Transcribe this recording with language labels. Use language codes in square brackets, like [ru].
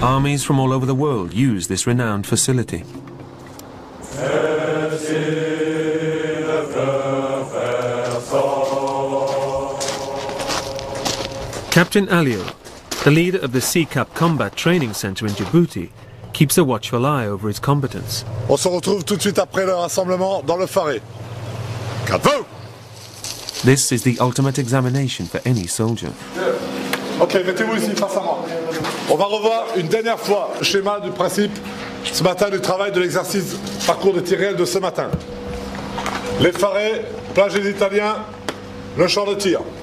[en] Armies from all over the world use this renowned facility. Captain Alio, the leader of the CCAP combat training center in Djibouti, keeps a watchful eye over its combatants. [fr] On se retrouve tout de suite après le rassemblement dans le phare. Capo! [en] This is the ultimate examination for any soldier. [fr] Okay, mettez-vous ici, face à moi. On va revoir une dernière fois le schéma du principe ce matin du travail de l'exercice parcours de tir réel de ce matin. Les farés, plage des Italiens, le champ de tir.